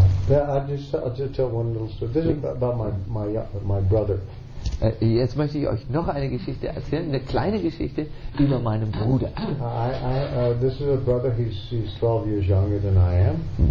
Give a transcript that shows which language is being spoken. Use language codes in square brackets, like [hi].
[en] I'll just tell one little story. This is about my brother. [de] Jetzt möchte ich euch noch eine Geschichte erzählen, eine kleine Geschichte über meinen Bruder. [en] This is a brother, he's 12 years younger than I am.